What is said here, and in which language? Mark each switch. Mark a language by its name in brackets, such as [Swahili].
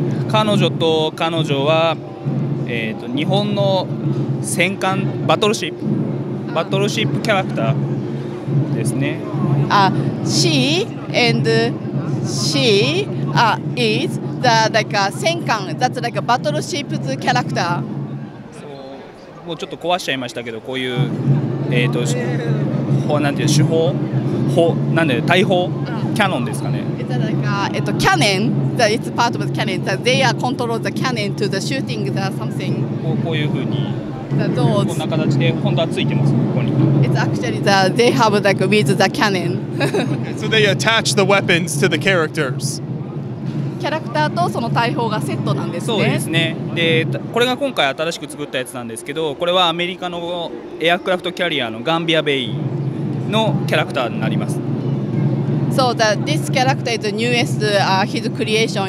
[Japanese] 彼女と彼女は、日本の戦艦バトルシップ、バトルシップキャラクターですね。 [English] She and she is the like a 戦艦 that's like a battleship's character. [Japanese] もうちょっと壊しちゃいましたけど、こういう何ていう手法。なんで大砲、キャノンですかね。 [English] キャノン、it's part of the cannon. They are control the cannon to the shooting the something. [Japanese] こういう風に、こんな形で本当はついてます、ここに。 [English] It's actually the they have like with the cannon. So they attach the weapons to the characters. [Japanese] キャラクターとその大砲がセットなんですね。そうですね。で、これが今回新しく作ったやつなんですけど、これはアメリカのエアクラフトキャリアのガンビアベイ。のキャラクターになります。 [English] So that this character is the newest his creation.